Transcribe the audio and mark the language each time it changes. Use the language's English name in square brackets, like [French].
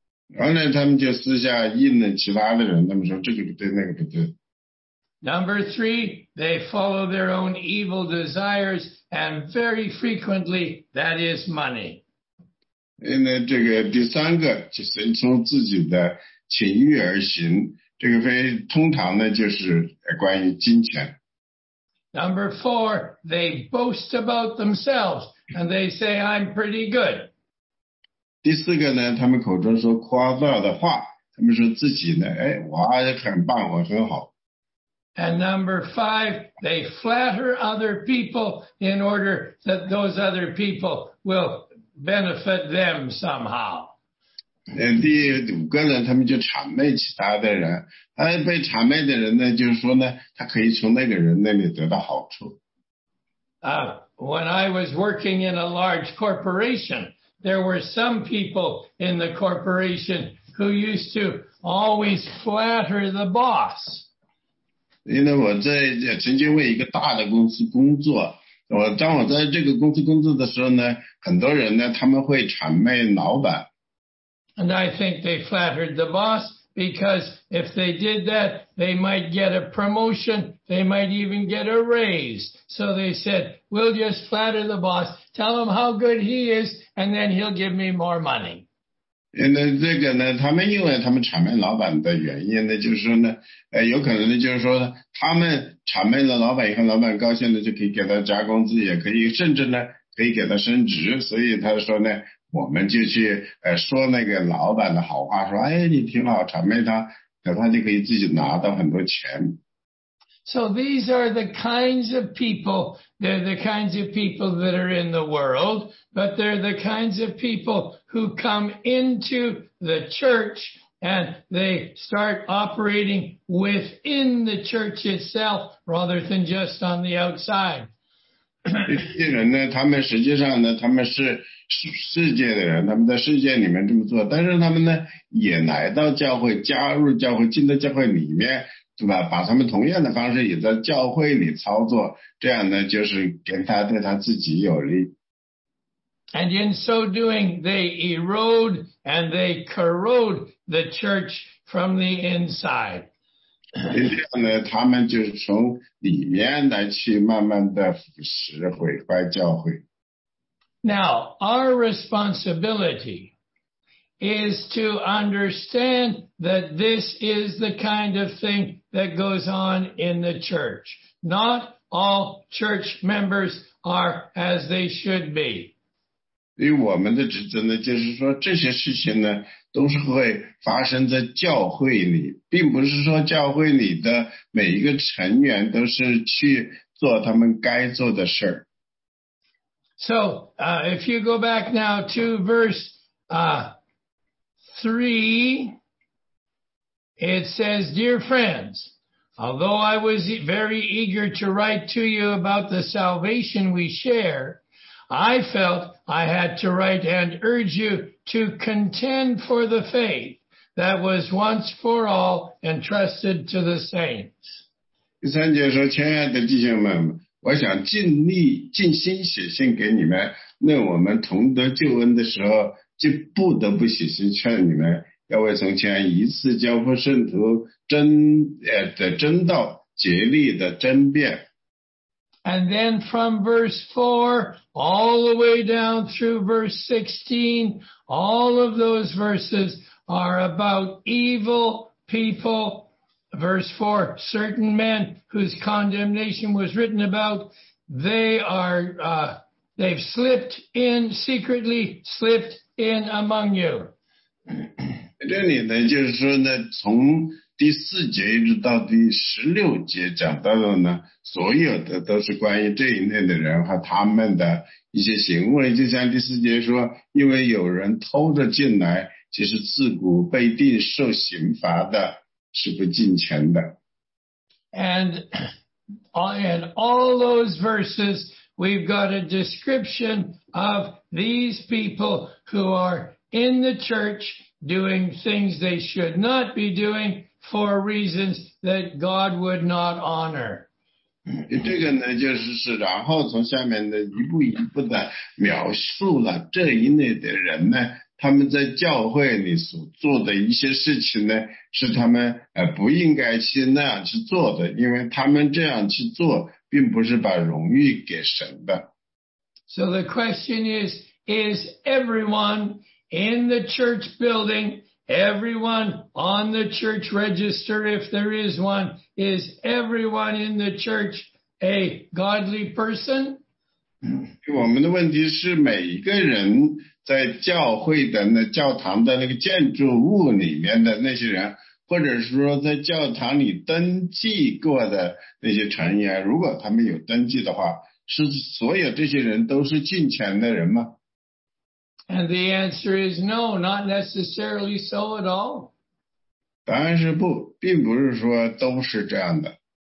[Chinese] 然后呢，他们就私下议论其他的人，他们说这个不对，那个不对。 [English] Number three, they follow their own evil desires, and very frequently, that is money. [Chinese] 那这个第三个就是从自己的情欲而行，这个非通常呢就是关于金钱。 [English] Number four, they boast about themselves, and they say, I'm pretty good. [Chinese] 第四个呢，他们口中说夸大的话，他们说自己呢，哎，我很棒，我很好。 [English] And number five, they flatter other people in order that those other people will benefit them somehow. [Chinese] 第五个呢，他们就谄媚其他的人。被谄媚的人呢，就是说呢，他可以从那个人那里得到好处。 [English] When I was working in a large corporation, there were some people in the corporation who used to always flatter the boss. [Chinese] 因为我在曾经为一个大的公司工作，我当我在这个公司工作的时候呢，很多人呢他们会谄媚老板。 [English] And I think they flattered the boss because if they did that, they might get a promotion, they might even get a raise. So they said, we'll just flatter the boss, tell him how good he is, and then he'll give me more money. [Chinese] 因为这个呢，他们因为他们谄媚老板的原因呢，就是说呢，有可能呢，就是说他们谄媚了老板以后，老板高兴的就可以给他加工资，也可以甚至呢可以给他升职。所以他说呢，我们就去说那个老板的好话，说哎你挺好，谄媚他，他就可以自己拿到很多钱。 [English] So these are the kinds of people, they're the kinds of people that are in the world, but they're the kinds of people who come into the church and they start operating within the church itself rather than just on the outside. [Chinese] 这些人呢，他们实际上呢，他们是世界的人，他们在世界里面这么做，但是他们呢，也来到教会，加入教会，进到教会里面。对吧？把他们同样的方式也在教会里操作，这样呢，就是跟他对他自己有利。 [English] And in so doing, they erode and they corrode the church from the inside. [Chinese] 这样呢，他们就是从里面来去慢慢的腐蚀毁坏教会。 [English] Now, our responsibility. Is to understand that this is the kind of thing that goes on in the church. Not all church members are as they should be. [Chinese] 因为我们的职责呢，就是说这些事情呢，都是会发生在教会里，并不是说教会里的每一个成员都是去做他们该做的事。 [English] So, if you go back now to verse, 3, it says, Dear friends, although I was very eager to write to you about the salvation we share, I felt I had to write and urge you to contend for the faith that was once for all entrusted to the saints. [Chinese] 第三节说，亲爱的弟兄们，我想尽力尽心写信给你们，那我们同得救恩的时候就不得不写信劝你们，要为从前一次交付圣徒真道竭力的争辩。 [English] And then from verse 4 all the way down through verse 16, all of those verses are about evil people. Verse 4, certain men whose condemnation was written about, they've slipped in secretly, slipped in among you. [Chinese] 这里呢，就是说呢，从第四节一直到第十六节讲到的呢，所有的都是关于这一类的人和他们的一些行为。就像第四节说，因为有人偷着进来，其实自古被定受刑罚的是不敬虔的。 [English] And all those verses, we've got a description of these people who are in the church doing things they should not be doing for reasons that God would not honor. [Chinese] 这个呢，就是然后从下面的一步一步的描述了这一类的人呢，他们在教会里所做的一些事情呢，是他们不应该去那样去做的，因为他们这样去做并不是把荣誉给神的。 [English] So the question is everyone in the church building, everyone on the church register, if there is one, is everyone in the church a godly person? [Chinese] 我们的问题是每一个人在教会的那教堂的那个建筑物里面的那些人，或者是说在教堂里登记过的那些成员，如果他们有登记的话，是所有这些人都是敬虔的人吗？ [English] And the answer is no, not necessarily so at all. [Chinese] 答案是不，并不是说都是这样的。